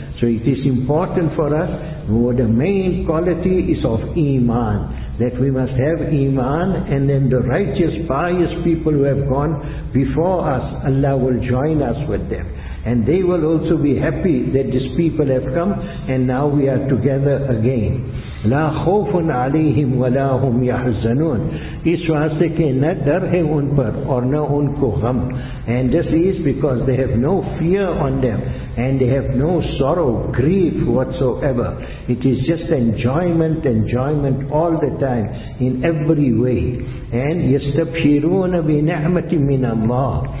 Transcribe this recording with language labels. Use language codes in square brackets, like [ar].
[en] So it is important for us, the main quality is of iman, that we must have iman, and then the righteous, pious people who have gone before us, Allah will join us with them. And they will also be happy that these people have come, and now we are together again. [ar] لا خوف عليهم ولا هم يحزنون. [ur] اس واسطے کہ نہ ڈر ہے ان پر اور نہ ان کو غم. [en] And this is because they have no fear on them and they have no sorrow, grief whatsoever. It is just enjoyment all the time in every way. [ar] And يستبشرون بنعمة من الله.